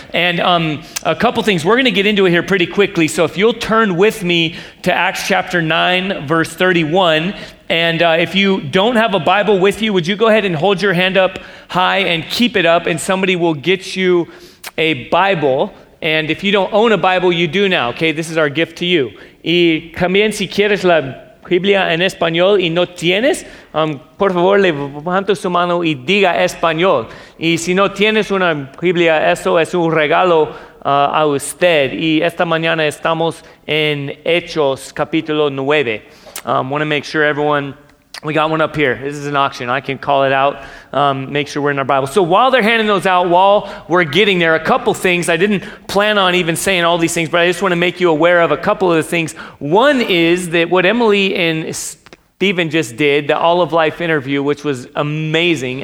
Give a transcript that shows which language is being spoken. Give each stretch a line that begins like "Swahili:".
English: And a couple things. We're going to get into it here pretty quickly. So if you'll turn with me to Acts chapter 9, verse 31. And if you don't have a Bible with you, would you go ahead and hold your hand up high and keep it up, and somebody will get you a Bible. And if you don't own a Bible, you do now. Okay, this is our gift to you.
Spanish: Y también si quieres la Biblia en español y no tienes, por favor, levanta su mano y diga español. Y si no tienes una Biblia, eso es un regalo a usted. Y esta mañana estamos en Hechos capítulo 9.
English: Want to make sure everyone, we got one up here. This is an auction. I can call it out. Make sure we're in our Bible. So while they're handing those out, while we're getting there, a couple things. I didn't plan on even saying all these things, but I just want to make you aware of a couple of the things. One is that what Emily and Stephen just did, the All of Life interview, which was amazing.